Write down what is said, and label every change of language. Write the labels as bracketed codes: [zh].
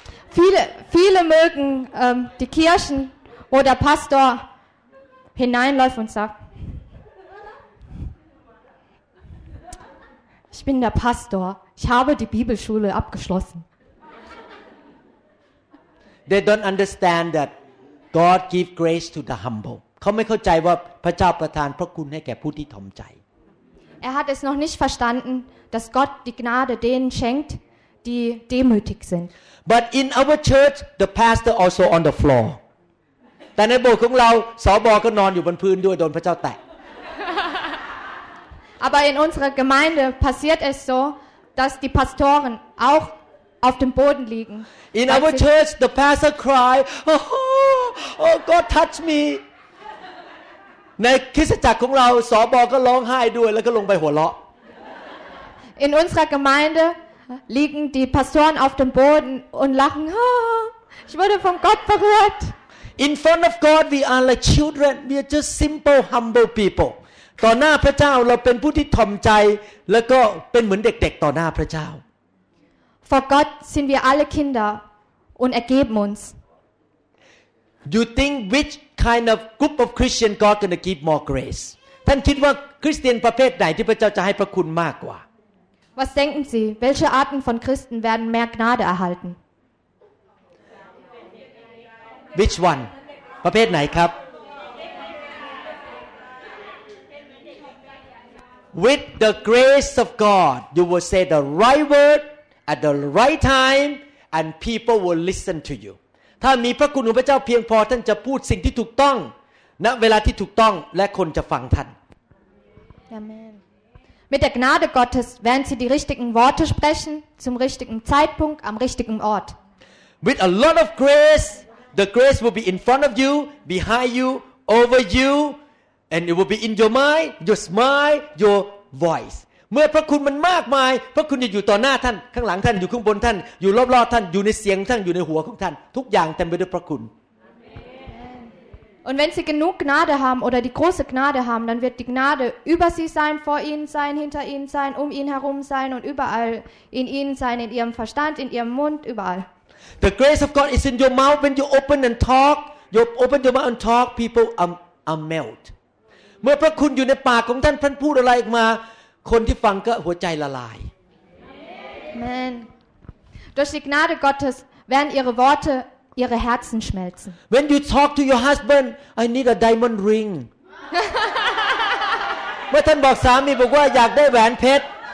[de] viele mögen die Kirchen wo der Pastor hineinläuft und sagtIch bin der Pastor. Ich habe die Bibelschule abgeschlossen. [en] They don't understand that God give grace to the humble. [th] เขาไม่เข้าใจว่าพระเจ้าประทานพระคุณให้แก่ผู้ที่ถ่อมใจ [de] Er hat es noch nicht verstanden, dass Gott die Gnade denen schenkt, die demütig sind. [en] But in our church, the pastor also on the floor. [th] แต่ในโบสถ์ของเราสบก็นอนอยู่บนพื้นด้วยโดนพระเจ้าแตะ [de] Aber in unserer Gemeinde passiert es so, dass die Pastoren auch auf dem Boden liegen. [en] In our church, the pastor cry, oh God, touch me. [th] ในคริสตจักรของเราสบก็ร้องไห้ด้วยแล้วก็ลงไปหัวเราะ [de] In unserer Gemeinde liegen die Pastoren auf dem Boden und lachen, ich wurde von Gott berührt. [en] In front of God, we are like children. We are just simple, humble people. [th] ต่อหน้าพระเจ้าเราเป็นผู้ที่ถ่อมใจแล้วก็เป็นเหมือนเด็กๆต่อหน้าพระเจ้า [de] Vor Gott sind wir alle Kinder und ergeben uns. [en] You think which kind of group of Christian God going to give more grace? [th] ท่านคิดว่าคริสเตียนประเภทไหนที่พระเจ้าจะให้พระคุณมากกว่า [de] Was denken Sie, welche Arten von Christen werden mehr Gnade erhalten? [en] Which one? [th] ประเภทไหนครับ [en] With the grace of God, you will say the right word at the right time and people will listen to you. [th] ถ้ามีพระคุณของพระเจ้าเพียงพอท่านจะพูดสิ่งที่ถูกต้องณเวลาที่ถูกต้องและคนจะฟังท่าน [en] Amen. [de] Mit der Gnade Gottes werden Sie die richtigen Worte sprechen zum richtigen Zeitpunkt am richtigen Ort. [en] With a lot of grace, the grace will be in front of you, behind you, over you, and it will be in your mind, your smile, your voice. [th] เมื่อพระคุณมันมากมายพระคุณจะอยู่ต่อหน้าท่านข้างหลังท่านอยู่ข้างบนท่านอยู่รอบๆท่านอยู่ในเสียงท่านอยู่ในหัวของท่านทุกอย่างเต็มไปด้วยพระคุณ [de] Und wenn Sie genug Gnade haben oder die große Gnade haben, dann wird die Gnade über Sie sein, vor Ihnen sein, hinter Ihnen sein, um Ihnen herum sein und überall in Ihnen sein, in Ihrem Verstand, in Ihrem Mund, überall. [en] The grace of God is in your mouth when you open and talk. You open your mouth and talk, people are melt. [th] เมื่อพระคุณอยู่ในปากของท่านท่านพูดอะไรออกมาคนที่ฟังก็หัวใจละลาย [en] Amen. [de] Durch die Gnade Gottes werden ihre Worte ihre Herzen schmelzen. [en] When you talk to your husband, I need a diamond ring. [th] เมื่อท่านบอกสามีบอกว่าอยากได้แหวนเพชร